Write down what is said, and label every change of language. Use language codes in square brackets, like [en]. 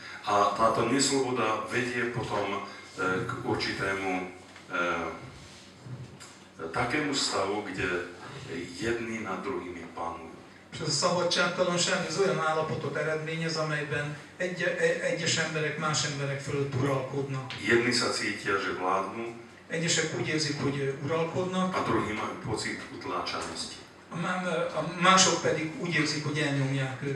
[sk] A táto nesloboda vedie potom k určitému takému stavu, kde jedni nad druhými panujú. [hu] És ez a szabadságtalanság, ez olyan állapotot eredményez, amelyben egyes emberek más emberek fölött uralkodnak. [sk] Jedni sa cítia, že vládnu. [hu] Egyesek úgy érzik, hogy uralkodnak. [sk] A druhý majú pocit utláčanosti. [hu] A mások pedig úgy érzik, hogy elnyomják őket.